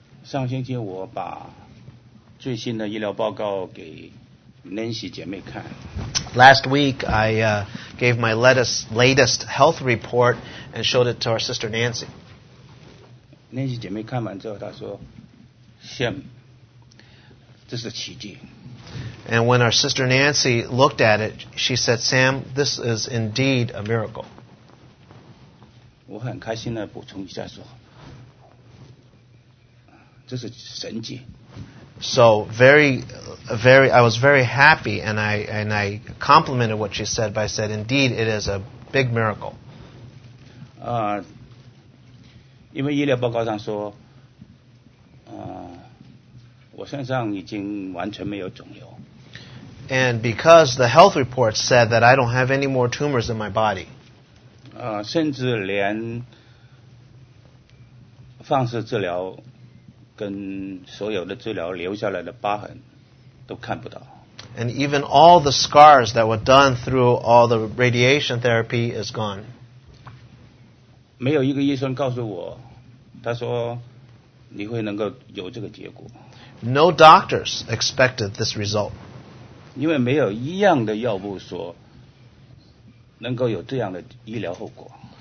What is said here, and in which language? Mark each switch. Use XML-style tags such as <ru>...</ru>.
<zh>上星期我把最新的医疗报告给 Nancy 姐妹看。</zh> <en>Last week, I gave my latest health report and showed it to our sister Nancy.</en> <zh>Nancy 姐妹看完之后，她说：“羡慕，这是奇迹。”</zh> <en>And when our sister Nancy looked at it, she said, "Sam, this is indeed a miracle."</en> <zh>我很开心地补充一下说。这是神迹。</zh> <en>So very, very, I was very happy, and I complimented what she said by said, indeed, it is a big miracle.</en> <zh>因为医疗报告上说，我身上已经完全没有肿瘤。</zh> <en>And because the health report said that I don't have any more tumors in my body.</en> <zh>甚至连放射治疗。跟所有的治疗留下来的疤痕都看不到。</zh> <en>And even all the scars that were done through all the radiation therapy is gone.</en> <zh>没有一个医生告诉我，他说你会能够有这个结果。</zh> <en>No doctors expected this result.</en> <zh>因为没有一样的药物说能够有这样的医疗后果。</zh>